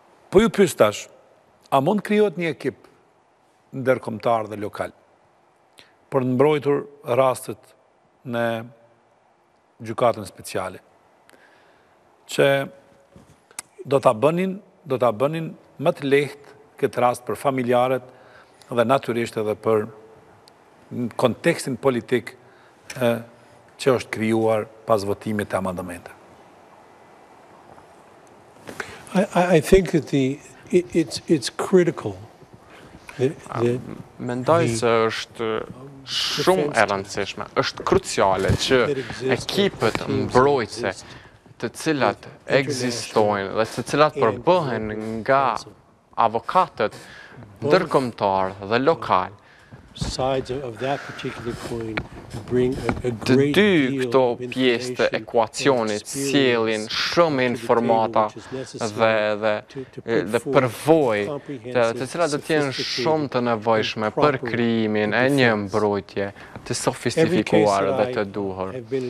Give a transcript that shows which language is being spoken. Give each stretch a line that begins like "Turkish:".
Albanian: Po ju pyes tash, a mund krijohet një ekip ndërkombëtar dhe lokal për në mbrojtur rastet në gjykatën speciale, që do t'a bënin më të lehtë këtë rast për familjarët dhe natyrisht edhe për në kontekstin politik që është krijuar pas votimit të amandamente.
English: I think that the it's critical.
Albanian: Mendoj se është shumë e rëndësishme, është kruciale që ekipet mbrojtëse të cilat ekzistojnë dhe të cilat përbëhen nga avokatët ndërkombëtar dhe lokal.
English: Sides of that particular coin bring a great deal.
Albanian: Dy këto pjesë të ekuacionit sjellin shumë informata dhe përvojë, të cilat do të jenë shumë të nevojshme për krijimin e një mbrojtje të sofistifikuar dhe të duhur.